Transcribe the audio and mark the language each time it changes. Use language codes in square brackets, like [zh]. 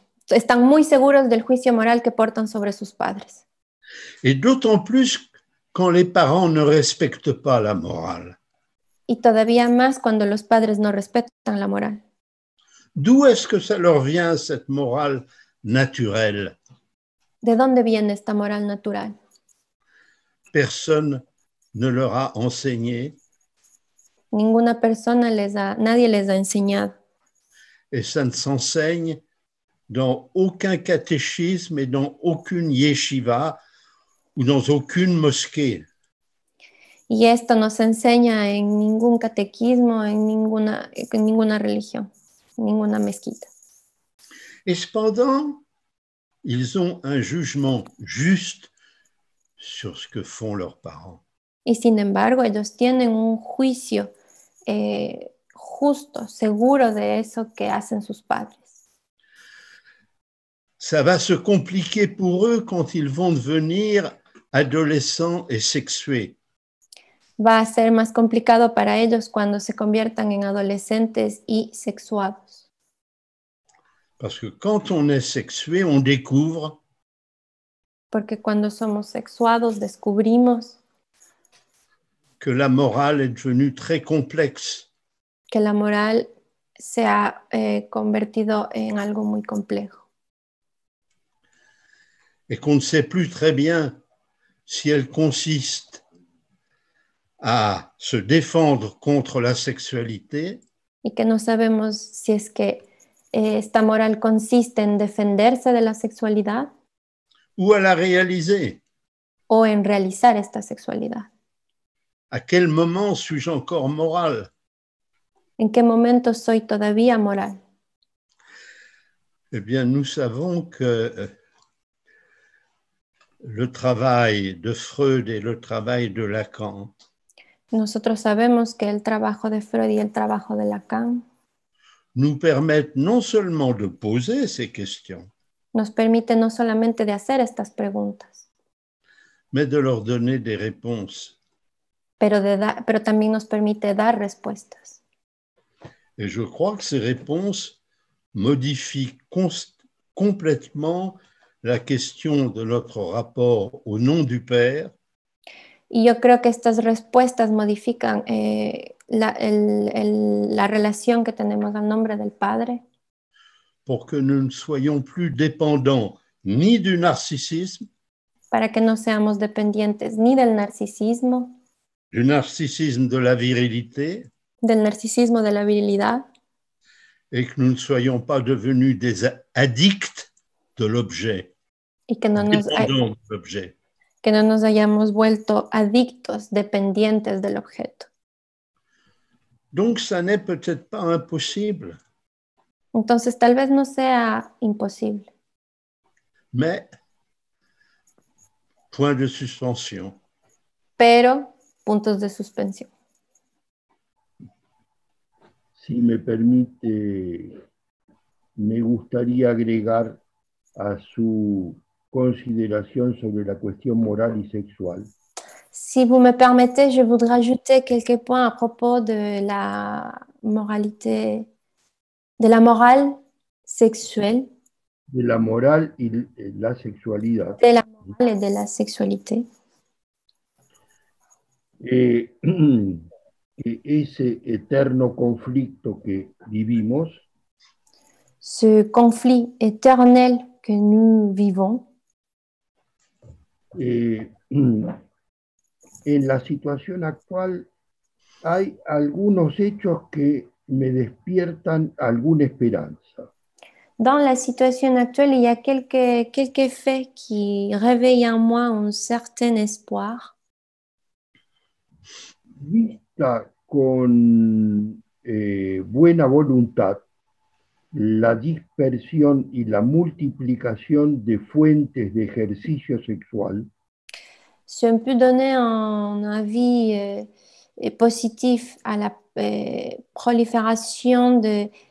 [es] Están muy seguros del juicio moral que portan sobre sus padres. [fr] Et d'autant plus quand les parents ne respectent pas la morale. [es] Y todavía más cuando los padres no respetan la moral. [fr] D'où est-ce que ça leur vient, cette morale naturelle? [es] ¿De dónde viene esta moral natural? [fr] Personne ne leur a enseigné. [es] Ninguna persona les ha, nadie les ha enseñado. [fr] Et ça ne s'enseigne dans aucun catéchisme et dans aucune yeshiva ou dans aucune mosquée. [es] Y esto no se enseña en ningún catequismo, en ninguna religión, en ninguna mezquita. [fr] Et cependant, ils ont un jugement juste sur ce que font leurs parents. [es] Y sin embargo, ellos tienen un juicio justo, seguro de eso que hacen sus padres. [fr] Ça va se compliquer pour eux quand ils vont devenir adolescents et sexués. [es] Va a ser más complicado para ellos cuando se conviertan en adolescentes y sexuados. [fr] Parce que quand on est sexué, on découvre. [es] Porque cuando somos sexuados, descubrimos [fr] que la morale est devenue très complexe. [es] Que la moral se ha convertido en algo muy complejo. [fr] Et qu'on ne sait plus très bien si elle consiste à se défendre contre la sexualité. [es] Y que no sabemos si es que esta moral consiste en defenderse de la sexualidad. [fr] Ou à la réaliser. [es] O en realizar esta sexualidad. [fr] À quel moment suis-je encore moral? [es] En qué momento soy todavía moral? [fr] Eh bien, nous savons que le travail de Freud et le travail de Lacan. [es] Nosotros sabemos que el trabajo de Freud y el trabajo de Lacan [fr] nous permettent non seulement de poser ces questions, [es] nos permite no solamente de hacer estas preguntas, [fr] mais de leur donner des réponses. [es] Pero también nos permite dar respuestas. [fr] Et je crois que ces réponses modifient complètement la question de notre rapport au nom du Père. [es] Y yo creo que estas respuestas modifican la relación que tenemos al nombre del Padre. [fr] Pour que nous ne soyons plus dépendants ni du narcissisme. [es] Para que no seamos dependientes ni del narcisismo. [fr] Du narcisisme de la virilité. [es] Del narcisismo de la virilidad. [fr] Et que nous ne soyons pas devenus des addicts de l'objet. [es] Y que no nos [fr] dépendants de l'objet. [es] Que no nos hayamos vuelto adictos, dependientes del objeto. [fr] Donc, ça n'est peut-être pas impossible. [es] Entonces, tal vez no sea imposible. [fr] Mais, point de suspension. [es] Pero, puntos de suspensión. Si me permite, me gustaría agregar a su consideración sobre la cuestión moral y sexual. [fr] Si vous me permettez, je voudrais ajouter quelques points à propos de la moralité, de la morale sexuelle. [es] De la morale y la sexualidad. [fr] De la morale et de la sexualité. [es] Et ese eterno conflicto que vivimos. [fr] Ce conflit éternel que nous vivons. [es] En la situación actual hay algunos hechos que me despiertan alguna esperanza. [fr] Dans la situation actuelle, il y a quelques faits qui réveillent en moi un certain espoir. [es] Vista con buena voluntad, la dispersión y la multiplicación de fuentes de ejercicio sexual. [fr] Si on peut donner un avis positif à la prolifération de...